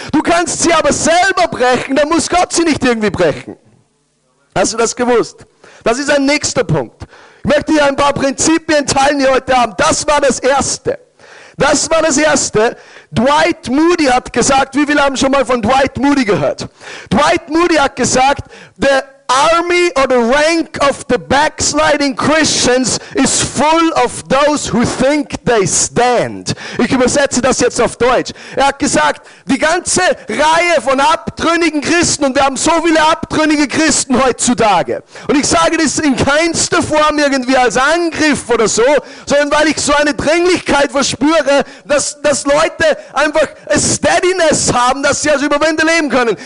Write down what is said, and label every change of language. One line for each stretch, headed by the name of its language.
German: Du kannst sie aber selber brechen, dann muss Gott sie nicht irgendwie brechen. Hast du das gewusst? Das ist ein nächster Punkt. Ich möchte dir ein paar Prinzipien teilen, die heute Abend. Das war das Erste. Das war das Erste. Dwight Moody hat gesagt, wie viele haben schon mal von Dwight Moody gehört?
English: Dwight Moody
German: hat gesagt,
English: the army or the rank of the backsliding Christians is full of those who think they stand.
German: Ich übersetze das jetzt auf Deutsch. Er hat gesagt, die ganze Reihe von abtrünnigen Christen, und wir haben so viele abtrünnige Christen heutzutage, und ich sage das in keinster Form irgendwie als Angriff oder so, sondern weil ich so eine Dringlichkeit verspüre, dass Leute einfach a Steadiness haben, dass sie also überwinden leben können.